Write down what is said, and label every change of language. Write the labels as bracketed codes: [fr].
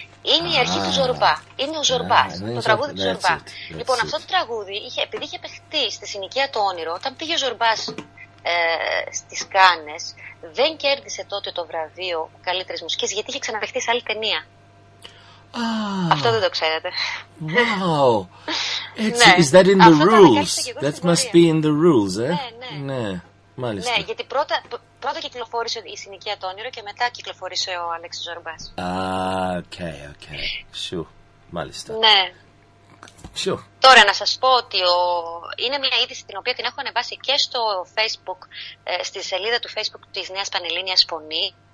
[el] Είναι η αρχή του Ζορμπά. Είναι ο Ζορμπάς. Ναι, το τραγούδι του Ζορμπά. [en] It, [el] λοιπόν, αυτό το τραγούδι, επειδή είχε παιχτεί στη συνοικία το όνειρο, όταν πήγε ο Ζορμπάς στις Κάνες, δεν κέρδισε τότε το βραβείο καλύτερης μουσικής γιατί είχε ξαναπαιχτεί σε άλλη ταινία. Αυτό δεν το ξέρετε. [en] Wow. [el] Έτσι, [en] is that in the rules? That must be in the rules, eh? [el] Ναι, ναι. Ναι, μάλιστα. Ναι, γιατί πρώτα κυκλοφόρησε η συνοικία το όνειρο και μετά κυκλοφόρησε ο Αλέξης Ζορμπάς. [en] Okay. [el] Σου, μάλιστα. Ναι. [en] Sure. [el] Τώρα να σας πω ότι είναι μια είδηση την οποία την έχω ανεβάσει και στο Facebook, στη σελίδα του Facebook της Νέας Πανελλήνιας Φωνή.